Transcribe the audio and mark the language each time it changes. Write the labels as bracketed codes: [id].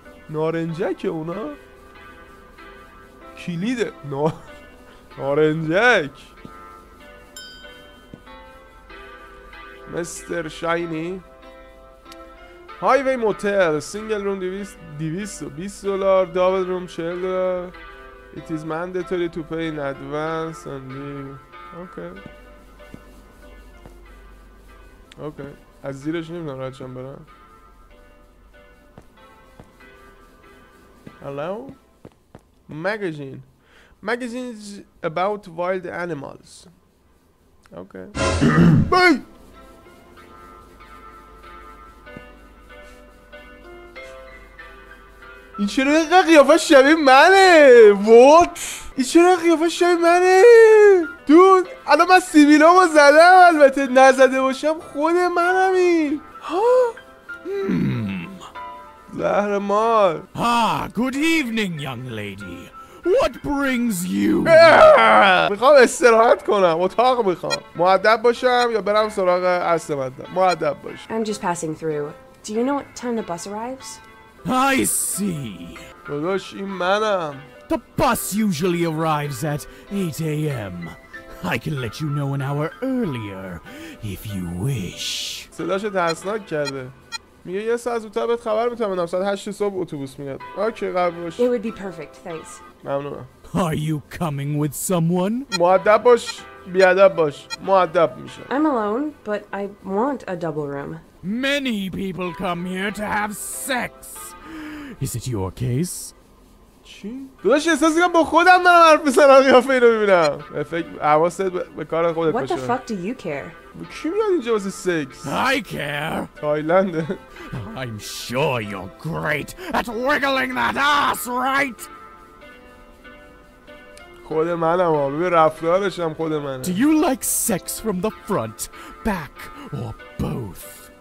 [fa] نارنجک اونا؟ کلیده نارنجک. [en] Mister Shiny. Highway motel single room $220 double room $40. It is mandatory to pay in advance and leave. Okay. [fa] از زیرش نمیدونم رد شم برم. [en] Hello. Magazine. Magazines about wild animals. Okay. Hey! [fa] این چرا اینقدر قیافه شبیه منه؟ [en] What? [fa] این چرا اینقدر قیافه شبیه منه؟ دود، الان من سیبیلامو زدم، البته نزده باشم خود منم این. ها؟ زهر مار. [en] ها، good evening young lady. What brings you? [fa] میخوام استراحت کنم، اتاق میخوام. مؤدب باشم یا برم سراغ اصل مطلب؟ مؤدب باش. [en] I'm just passing through. Do you know what time the bus arrives? I see. [fa] داداش این منم. [en] The bus usually arrives at 8 a.m. I can let you know an hour earlier if you wish. [fa] صداش ترسناک کرده. میگه یه ساعت زودتر بهت خبر میتونم بدم. ساعت 8 صبح اتوبوس میاد. اوکی، قبول باش. [en] It would be perfect. Thanks. [fa] ممنونم. [en] Are you coming with someone? [fa] مؤدب باش، بی‌ادب باش. مؤدب میشه. [en] I'm alone, but I want a double room. Many people come here to have sex. Is it your case? [fa] چی؟ داداش احساس میکنم با خودم دارم حرف میزنم قیافه اینو میبینم. به فکر حواست به کار خودت باشه. [en] What the fuck do you care? [fa] کی میاد اینجا واسه سیکس؟ [en] I care. [fa] تایلند. [en] I'm sure you're great at wiggling that ass, right? [fa] خود منم ها. ببین رفتارش هم خود منه. [en] Do you like sex from the front, back, or both?